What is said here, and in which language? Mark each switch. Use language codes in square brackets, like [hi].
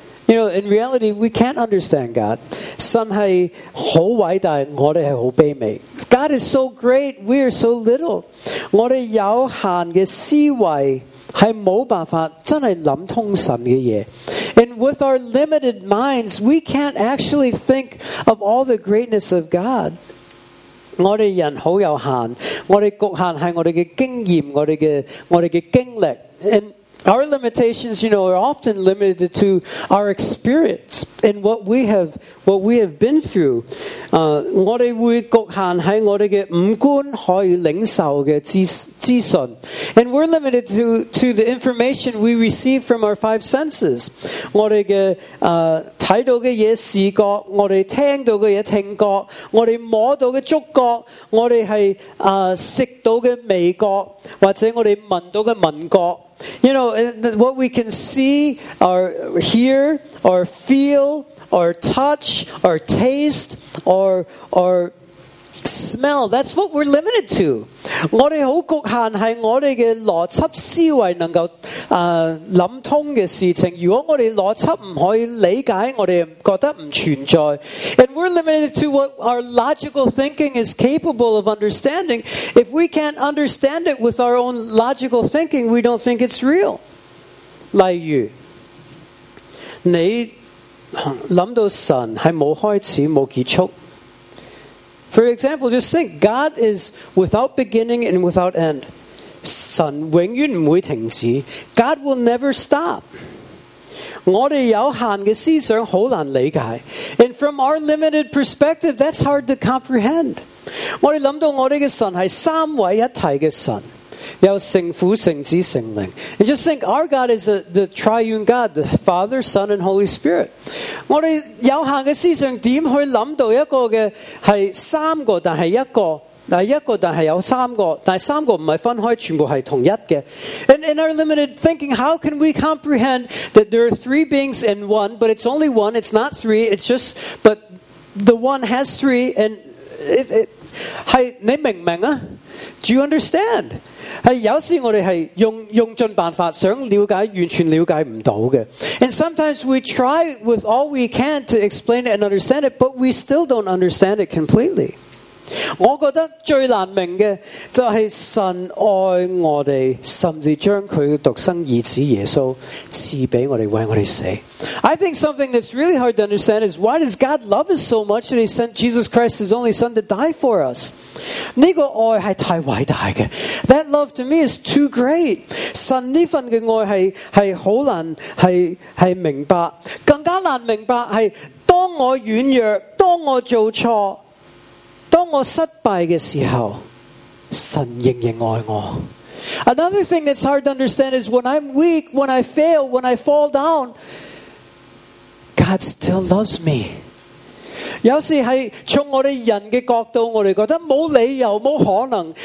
[en] You know, in reality, we can't understand God. [zh] 神是很伟大，我们是很卑微。 [en] God is so great, we are so little. [zh] 我们有限的思维是没有办法真的想通神的事。 [en] And with our limited minds, we can't actually think of all the greatness of God. [zh] 我们人很有限，我们局限是我们的经验，我们的经历。 [en] And our limitations, you know, are often limited to our experience and what we have been through. [zh] 我们会局限在我们的五官可以领受的资讯。 [en] And we're limited to the information we receive from our five senses. [zh] 我们的看到的东西视觉，我们听到的东西听觉，我们摸到的触觉，我们是吃到的味觉，或者我们闻到的闻觉。 [en] You know, what we can see or hear or feel or touch or taste or smell, that's what we're limited to. [zh] 我们很局限是我们的逻辑思维能够想通的事情。如果我们逻辑不可以理解，我们觉得不存在。 [en] And we're limited to what our logical thinking is capable of understanding. If we can't understand it with our own logical thinking, we don't think it's real. [zh] 例如，你想到神是没开始，没结束。 [en] For example, just think, God is without beginning and without end. [zh] 神永远不会停止。 [en] God will never stop. [zh] 我们有限的思想很难理解。 [en] And from our limited perspective, that's hard to comprehend. [zh] 我们想到我们的神是三位一体的神。有圣父、圣子、圣灵。 [en] And just think, our God is the triune God, the Father, Son, and Holy Spirit. [zh] 我们有限的思想怎会想到一个的是三个，但是一个但是有三个，但是三个不是分开，全部是同一的。 [en] And in our limited thinking, how can we comprehend that there are three beings in one, but it's only one, it's not three, it's just, but the one has three, and it, [zh] 你明白吗? [en] Do you understand? [zh] 有时我们是 用尽办法想了解，完全了解不到的。 [en] And sometimes we try with all we can to explain it and understand it, but we still don't understand it completely. [zh] 我觉得最难明的就是神爱我们，甚至将他独生儿子耶稣赐给我们为我们死。 [en] I think something that's really hard to understand is why does God love us so much that he sent Jesus Christ, his only son, to die for us? [zh] 这个爱是太伟大的。 [en] That love to me is too great. [zh] 神这份的爱 是很难是明白。更加难明白是当我软弱，当我做错，当我失败的时候，神仍然爱我。 [en] Another thing that's hard to understand is when I'm weak, when I fail, when I fall down, God still loves me. [zh] 有时是从我们人的角度，我们觉得没理由，没可能。